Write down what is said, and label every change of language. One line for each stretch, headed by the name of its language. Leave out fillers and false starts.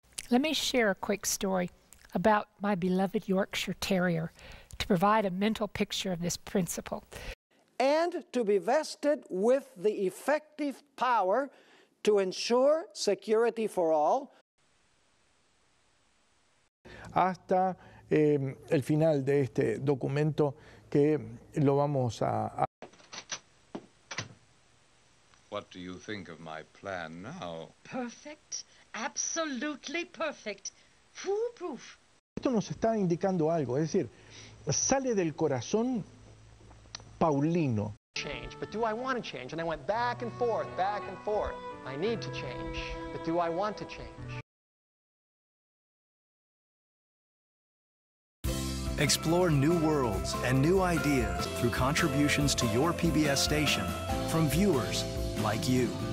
English: Let me share a quick story about my beloved Yorkshire Terrier to provide a mental picture of this principle. And to be vested with the effective power to ensure security for all.
Spanish: Hasta el final de este documento que lo vamos a.
English: What do you think of my plan now? Perfect. Absolutely perfect. Foolproof.
Spanish: Esto nos está indicando algo, es decir, sale del corazón paulino.
English: Change, but do I want to change? And I went back and forth, back and forth. I need to change, but do I want to change? Explore new worlds and new ideas through contributions to your PBS station from viewers like you.